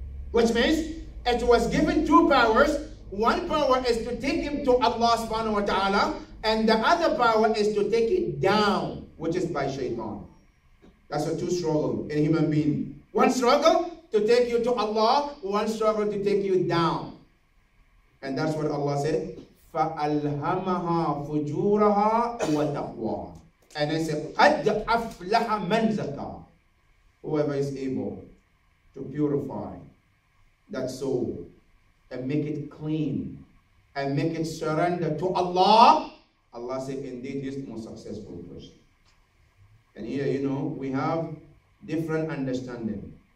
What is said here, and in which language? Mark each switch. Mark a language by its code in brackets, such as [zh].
[en] Which means it was given two powers. One power is to take him to Allah subhanahu wa ta'ala, and the other power is to take it down, which is by shaitan. That's a two struggle in a human being. One struggle to take you to Allah, one struggle to take you down. And that's what Allah said. [ar] فَأَلْهَمَهَا فُجُورَهَا وَتَقْوَى. [en] And I said, [ar] قَدْ أَفْلَحَ مَنْ زَكَى. [en] Whoever is able to purify that soul and make it clean and make it surrender to Allah, Allah said, indeed, he's the most successful person. And here, you know, we have different understanding.